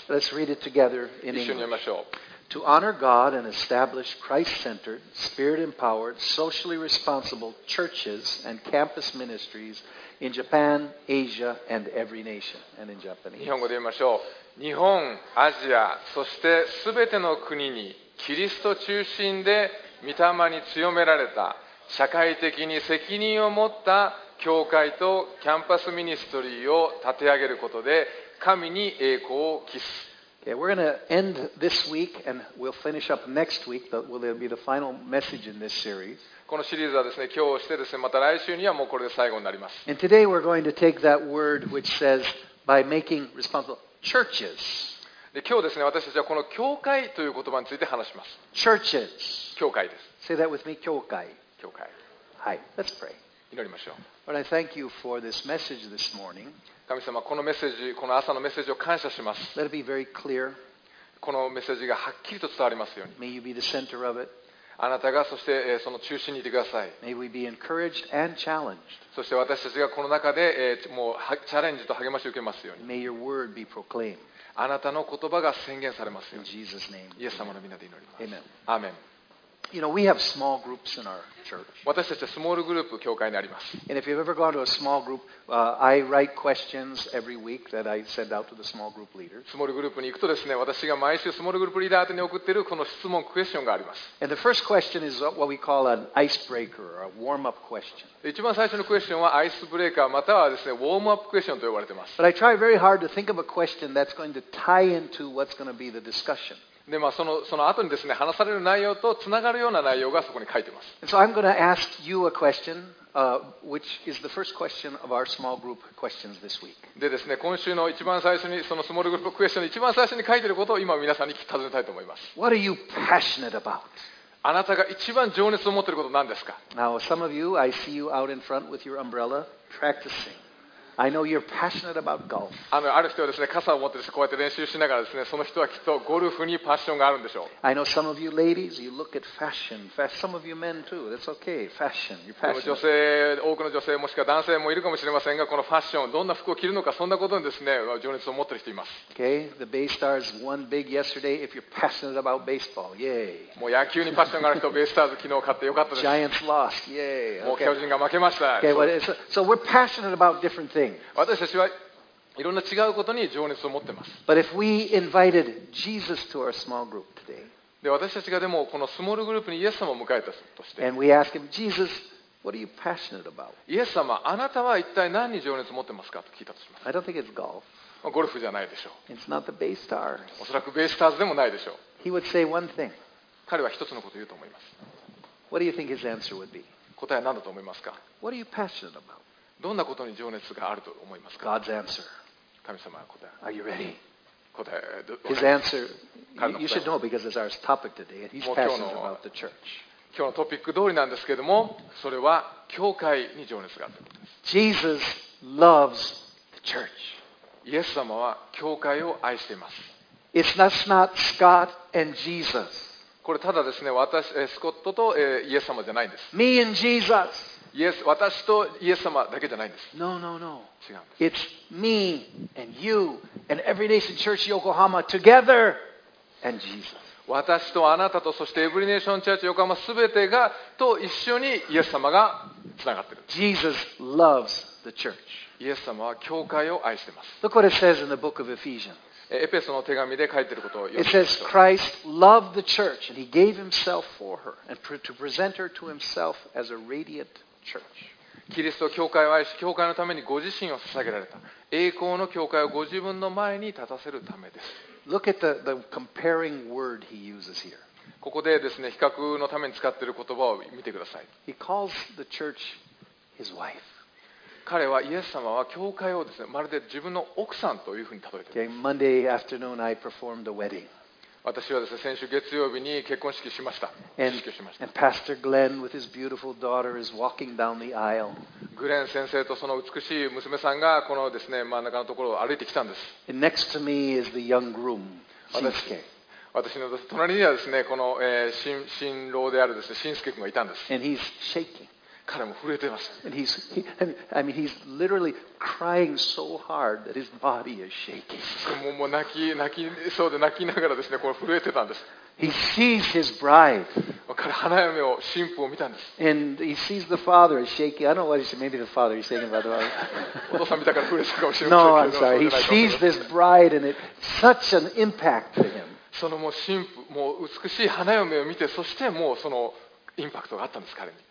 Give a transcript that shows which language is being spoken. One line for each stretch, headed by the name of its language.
English: Let's read it together in English.
Japanese: 一緒に読みましょう。
English: To honor God and establish Christ-centered, Spirit-empowered, socially responsible churches and campus ministries in Japan, Asia, and every nation, and in Japanese.
Japanese: 日本語で言いましょう。日本、アジア、そしてすべての国にキリスト中心で御霊に強められた社会的に責任を持った教会とキャンパスミニストリーを立て上げることで神に栄光を期す。
English: Okay, we're going to end this week and we'll finish up next week, but will there be the final message in this series?
Japanese: このシリーズはですね、今日してですね、また来週にはもうこれで最後になります。
English: And today we're going to take that word which says by making responsible churches.
Japanese: で今日ですね、私たちはこの教会という言葉について話します。
English: Churches.
Japanese: 教会です。
English: Say that with me, 教会。
Japanese: 教会。
English: はい。Let's pray.
Japanese: 祈りましょう。
English: Lord, I thank you for this message this morning.
Japanese: 神様、このメッセージ、この朝のメッセージを感謝します。
English: Let it be very clear.
Japanese: このメッセージがはっきりと伝わりますように。
English: May you be the center of it.
Japanese: あなたがそしてその中心にいてください。
English: May we be encouraged and challenged.
Japanese: そして私たちがこの中でもうチャレンジと励ましを受けますように。
English: May your word be proclaimed.
Japanese: あなたの言葉が宣言されますように。
English: In Jesus name.
Japanese: イエス様の皆で祈ります。
English: Amen. Amen. You know, we have small groups in our church.
Japanese: 私たちはスモールグループ教会にあります。
English: And if you've ever gone to a small group, I write questions every week that I send out to the small group leaders.
Japanese: スモールグループに行くとですね、私が毎週スモールグループリーダー宛てに送っているこの質問クエスチョンがあります。
English: And the first question is what we call an icebreaker or a warm-up question.
Japanese: 一番最初のクエスチョンはアイスブレーカーまたはですね、ウォームアップクエスチョンと呼ばれています。
English: But I try very hard to think of a question that's going to tie into what's going to be the discussion.
Japanese: でまあ、その後にですね、話される内容とつながるような内容がそこに書いてます。
English: So I'm going to ask you a question, which is the first question of our small group questions this week.
Japanese: でですね、今週の一番最初に、そのスモールグループクエスチョンで一番最初に書いてることを今皆さんに尋ねたいと思います。
English: What are you passionate about?
Japanese: あなたが一番情熱を持っていることは何ですか?
English: Now, some of you, I see you out in front with your umbrella, practicing. I know you're passionate about golf.
Japanese: ある人はですね、傘を持ってこうやって練習しながらですね、その人はきっとゴルフにパッションがあるんでしょう。
English: I know some of you ladies, you look at fashion. Some of you men too. That's okay. Fashion. You're passionate.
Japanese: 女性、多くの女性もしくは男性もいるかもしれませんが、このファッション、どんな服を着るのか、そんなことにですね、情熱を持ってる人います。
English: Okay. The Bay Stars won big yesterday. If you're passionate about baseball, yay.
Japanese: もう野球にパッションがある人、ベイスターズ昨日勝ってよかったです。
English: Giants lost. Yay.
Japanese: もう巨人が負けました。
English: Okay. So we're passionate about different things.
Japanese: 私たちはいろんな違うことに情熱を持ってます。
English: But if we invited Jesus to our small group today,
Japanese: で私たちがでもこのスモールグループにイエス様を迎えたとして、
English: And we ask him, Jesus, what are you passionate about?
Japanese: イエス様、あなたは一体何に情熱を持ってますかと聞いたとします。
English: I don't think it's golf.
Japanese: ゴルフじゃないでしょう。
English: It's not the Bay Stars.
Japanese: おそらくベイスターズでもないでしょう。
English: He would say one thing.
Japanese: 彼は一つのことを言うと思います。
English: What do you think his answer would be?
Japanese: 答えは何だと思いますか?
English: What are you passionate about?
Japanese: どんなことに情熱があると思いますか?
English: God's answer.
Japanese: 神様は答え。
English: Are you ready?
Japanese: 答え。
English: His answer. You should know because it's our topic today. He's passionate about the church.
Japanese: 今日のトピック通りなんですけれども、それは教会に情熱があるということです。
English: Jesus loves the church.
Japanese: イエス様は教会を愛しています。
English: It's not Scott and Jesus.
Japanese: これただですね、私、スコットとイエス様じゃないんです。
English: Me and Jesus.
Japanese: イエス、私とイエス様だけじゃないんです。
English: No, no, no.
Japanese: 違うんです。
English: It's me and you and Every Nation Church Yokohama together and Jesus.
Japanese: 私とあなたとそしてEvery Nation Church Yokohama すべてがと一緒にイエス様がつながってる。
English: Jesus loves the church.
Japanese: イエス様は教会を愛してます。
English: Look what it says in the book of Ephesians.
Japanese: エペソの手紙で書いていることを読みます。
English: It says Christ loved the church and he gave himself for her and to present her to himself as a radiant church.
Japanese: キリスト教会を愛し、教会のためにご自身を捧げられた。栄光の教会をご自分の前に立たせるためです。
English: Look at the comparing word he uses here.
Japanese: ここでですね、比較のために使っている言葉を見てください。
English: He calls the church his wife.
Japanese: 彼はイエス様は教会をですね、まるで自分の奥さんというふうに例えています。
English: Okay, Monday afternoon I performed a wedding.
Japanese: 私はですね、先週月曜日に結婚式しました。
English: And Pastor Glenn with his beautiful daughter is walking down the aisle.
Japanese: グレン先生とその美しい娘さんがこのですね、真ん中のところを歩いてきたんです。
English: And next to me is the young groom, Shinsuke.
Japanese: 私の隣にはですね、この、新郎であるですね、Shinsuke君がいたんです。
English: And he's shaking.
Japanese: 彼も震えています。
English: he's literally crying so hard that his body is shaking.
Japanese: もう泣きそうで泣きながらですね、これ震えてたんです。
English: He sees his bride.
Japanese: 彼花嫁を新婦を見たんです。
English: And he sees the father is shaking. I don't know what he said. Maybe the father is shaking, by the way.
Japanese: お父さん見たから震えてるかもしれない。
English: No, I'm sorry. He sees this bride and it's such an impact for him.
Japanese: そのもう新婦、もう美しい花嫁を見て、そしてもうそのインパクトがあったんです、彼に。